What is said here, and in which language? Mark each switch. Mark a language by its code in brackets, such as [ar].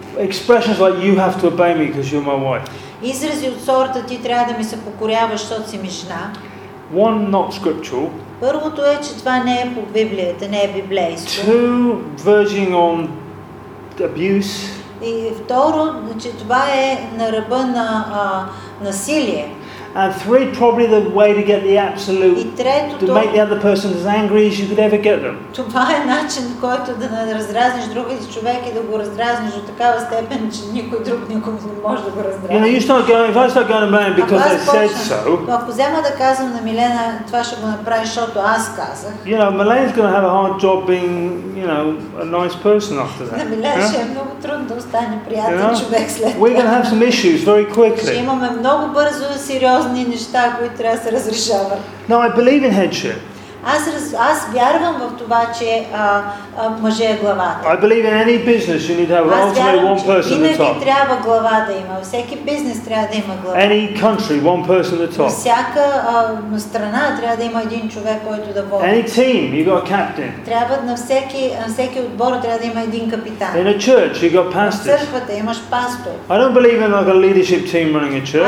[en] Expressions like you have to obey me because you're my wife. [bg] Изрази от сорта ти трябва да ми се покоряваш, защото си ми жена. [en] One, not scriptural. [bg] Първото е, че това не е по Библията, не е библейско. [en] Two, verging on abuse. [bg] И второ, че това е на ръба на насилие. [en] And three, probably the way to get the absolute, [bg] третото, [en] to make the other person as angry as you could ever get them. [bg] Това е начин, който да раздразниш другия човек и да го раздразниш до такава степен, че никой друг никога не може да го раздразни. [en] You know, you start going, if I start going to Milena because they said so. [bg] Ако взема да казвам на Милена, това ще го направи, защото аз казах. [en] You know, Milena's going to have a hard job being, you know, a nice person after that. [bg] На Милена ще е много трудно да остане приятен човек след това. [en] We're going to have some issues very quickly. [bg] Ще имаме много бързо и сериозно неща, които трябва да се разрешава. [en] No, I believe in headship. [bg] Аз вярвам в това, че мъже е главата. [en] I believe in any business you need to have ultimately one person at the top. [bg] Трябва глава да има. Всеки бизнес трябва да има глава. [en] Any country, one person at the top. [bg] Всяка страна трябва да има един човек, който да води. [en] Any team, you got a captain. [bg] Трябва на всеки отбор трябва да има един капитан. [en] In a church, you got pastors. [bg] Църквата имаш пастор. [en] I don't believe in like a leadership team running a church.